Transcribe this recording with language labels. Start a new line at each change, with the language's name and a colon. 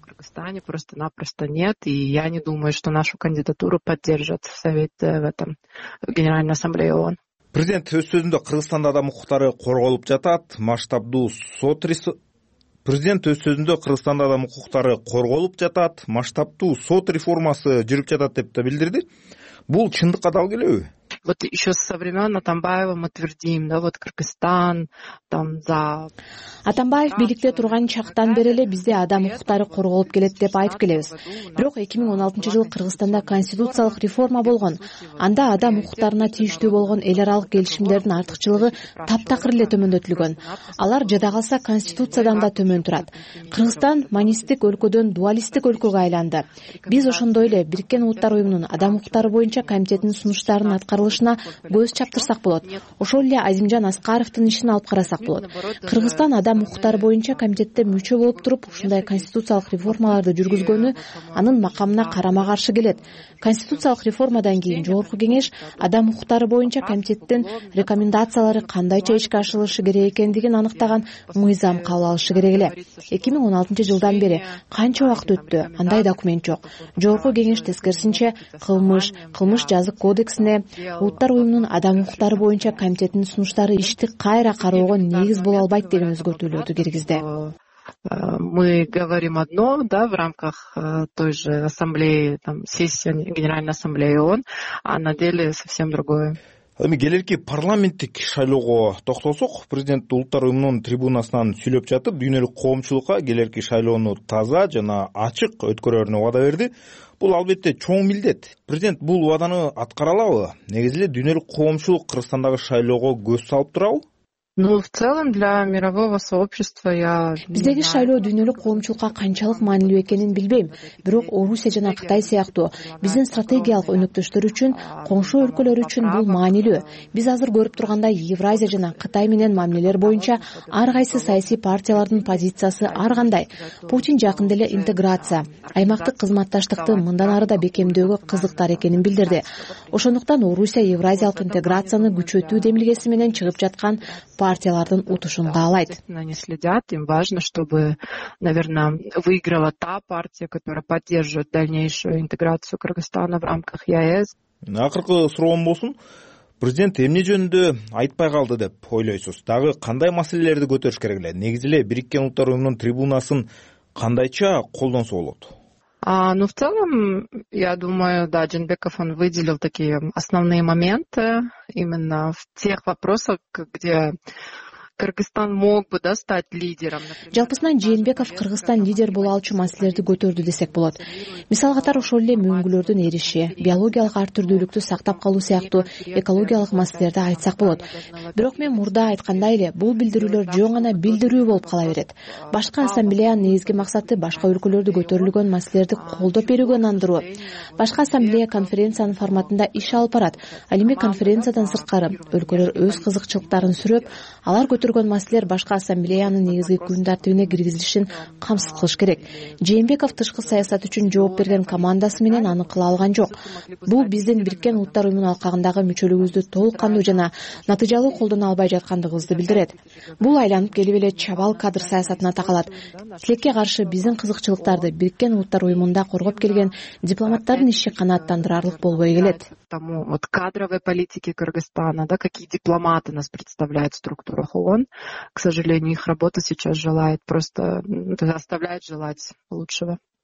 Russian: Кыргызстане просто-напросто нет, и я не думаю, что нашу кандидатуру поддержат совет в этом Генеральной Ассамблее ООН.
Kyrgyz: Президент өз сөзүндө Кыргызстанда адам укуктары корголуп жатат, масштабдуу сот Президент өз сөзүндө Кыргызстанда адам укуктары корголуп жатат, масштабдуу сот реформасы жүрүп жатат деп да билдирди. Бул чындыкка дал келеби?
Russian: вот еще со времен Атамбаева мы твердим, да, вот Кыргызстан, там за...
Kyrgyz: Атамбаев бирикте турган чактан бериле бизде адам укуктары корголуп келет деп айтып келебиз. Бирок 2016 жылы Кыргызстанда конституциялык реформа болгон. Анда адам укуктарына тийиштүү болгон эл аралык келишимдердин артыкчылыгы таптакыр эле төмөндөтүлгөн. Алар жада калса конституциядан да төмөн турат. Кыргызстан манистик өлкөдөн дуалистик өлкөгө айланды. Биз ошондой эле Бириккен Улуттар Уюмунун адам укуктары боюнча комитетинин сунуштарын аткарылышына көз чаптырсак болот. Ошол эле Азимжан Аскаровдун ишин алып карасак болот. Кыргызстан адам укуктары боюнча комитетте мүчө болуп туруп, ушундай конституциялык реформаларды жүргүзгөнү анын макамына карама-каршы келет. Конституциялык реформадан кийин Жогорку Кеңеш адам укуктары боюнча комитеттин рекомендациялары кандайча ишке ашырылышы керек экендигин аныктаган мыйзам кабыл алышы керек эле. 2016 жылдан бери канча убакыт өттү, андай документ жок. Жогорку Кеңеш тескерисинче кылмыш жазык кодексине, Улуттар Уюмунун адам укуктары боюнча комитетинин сунуштары ишти кайра кароого негиз боло албайт деген өзгөртүүлөрдү киргизди.
Russian: Мы говорим одно, да, в рамках той же ассамблеи, там, сессии Генеральной Ассамблеи ООН, а на деле совсем другое.
Kyrgyz: Эми келерки парламенттик шайлоого токтолсок, президент Улуттар Уюмунун трибунасынан сүйлөп жатып, дүйнө элек коомчулукка келерки шайлоону таза жана ачык өткөрөрүнө убада берди. Бул албетте чоң милдет. Президент бул убаданы аткара алабы? Негизи эле дүйнө элек коомчулук Кыргызстандагы шайлоого көз салып турабы?
Russian: Ну, в целом, для мирового сообщества я...
Kyrgyz: Биздеги шайлоо дүйнөлүк коомчулукка канчалык маанилүү экенин билбейм. Бирок Орусия жана Кытай сыяктуу биздин стратегиялык өнөктөштөр үчүн, коңшу өлкөлөр үчүн бул маанилүү. Биз азыр көрүп тургандай Евразия жана Кытай менен мамилелер боюнча ар кайсы саясий партиялардын позициясы ар кандай. Путин жакында эле интеграция, аймактык кызматташтыкты мындан ары да бекемдөөгө кызыктар экенин билдирди. Ошондуктан Орусия евразиялык интеграцияны күчөтүү демилгеси менен чыгып жаткан партиялардын утушун каалайт.
Russian: Они следят, им важно, чтобы, наверное, выиграла та партия, которая поддержит дальнейшую интеграцию Кыргызстана в рамках ЕС.
Kyrgyz: Акыркы суроом болсун, президент эмне жөнүндө айтпай калды деп ойлойсуз? Дагы кандай маселелерди көтөрүш керек эле? Негизи эле Бириккен Улуттар Уюмунун трибунасын кандайча колдонсо болот?
Russian: Ну, в целом, я думаю, да, Жээнбеков, он выделил такие основные моменты именно в тех вопросах, где Кыргызстан мог бы, да, стать лидером.
Kyrgyz: Жалпысынан Жээнбеков Кыргызстан лидер боло алчу маселелерди көтөрдү десек болот. Мисал катары ошол эле мүмкүнчүлүктөрдүн эриши, биологиялык ар түрдүүлүктү сактап калуу сыяктуу экологиялык маселелерди айтсак болот. Бирок мен мурда айткандай эле, бул билдирүүлөр жөн гана билдирүү болуп кала берет. Башка ассамблеянын негизги максаты башка өлкөлөрдө көтөрүлгөн маселелерди колдоп берүүгө ынандыруу. Башка ассамблея конференциянын форматында иш алып барат. Ал эми конференциядан сырткары өлкөлөр өз кызыкчылыктарын сүрөп, алар көтөргөн маселелер башка ассамблеянын негизги күн тартибине киргизилишин камсыз кылыш керек. Жээнбеков тышкы саясат үчүн жооп берген командасы менен аны кыла алган жок. Бул биздин Бириккен Улуттар Уюмунун алкагындагы мүчөлүгүбүздү толук кандуу жана натыйжалуу колдоно албай жаткандыгыбызды билдирет. Бул айланып келип эле чабал кадр саясатына такалат. Тилекке каршы биздин кызыкчылыктарды Бириккен Улуттар Уюмунда коргоп келген дипломаттардын иши канааттандырарлык болбой келет.
Russian: Тому вот кадровой политики Кыргызстана, да, какие дипломаты нас представляют в структурах ООН. К сожалению, их работа сейчас желает просто оставляет желать лучшего.